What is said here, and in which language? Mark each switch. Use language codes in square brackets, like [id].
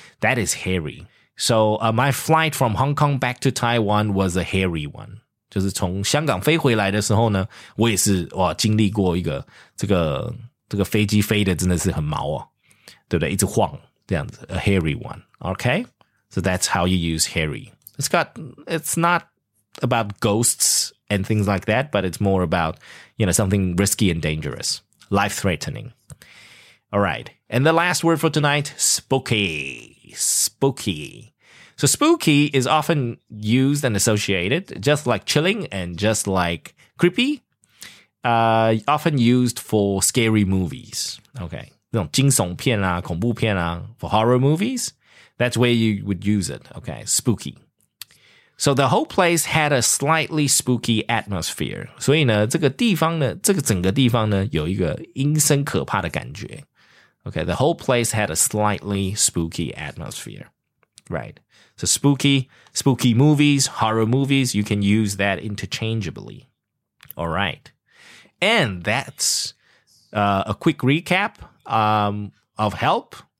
[en] That is hairy. So my flight from Hong Kong back to Taiwan was a hairy one. [zh] 就是从香港飞回来的时候呢，我也是哇经历过一个这个飞机飞的真的是很毛哦，对不对？一直晃这样子 ， [en] a hairy one. Okay, so that's how you use hairy. It's not about ghosts and things like that, but it's more about, you know, something risky and dangerous, life-threatening. All right. And the last word for tonight, spooky. So spooky is often used and associated, just like chilling and just like creepy, often used for scary movies. Okay. [zh] 那种惊悚片啊，恐怖片啊, [en] for horror movies, that's where you would use it. Okay. Spooky. So the whole place had a slightly spooky atmosphere. [zh] 所以呢，这个地方呢，这个整个地方呢，有一个阴森可怕的感觉。 [en] Okay, the whole place had a slightly spooky atmosphere. Right. So spooky movies, horror movies, you can use that interchangeably. All right. And that's a quick recap of help.